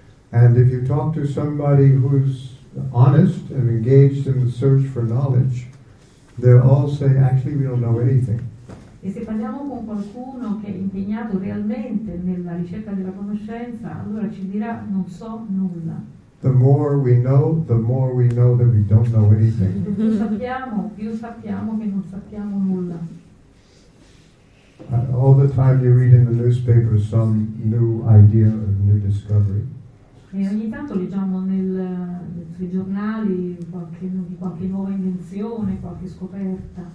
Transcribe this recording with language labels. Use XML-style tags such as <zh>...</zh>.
<en>And if you talk to somebody who's honest and engaged in the search for knowledge, they'll all say, actually, we don't know anything.</en> <it>E se parliamo con qualcuno che è impegnato realmente nella ricerca della conoscenza, allora ci dirà, non so nulla.</it> <en>The more we know, the more we know that we don't know anything.</en> <it>Più sappiamo che non sappiamo nulla.</it> <en>All the time you read in the newspaper some new idea or new discovery.</en> <it>E ogni tanto leggiamo sui giornali qualche nuova invenzione, qualche scoperta.</it>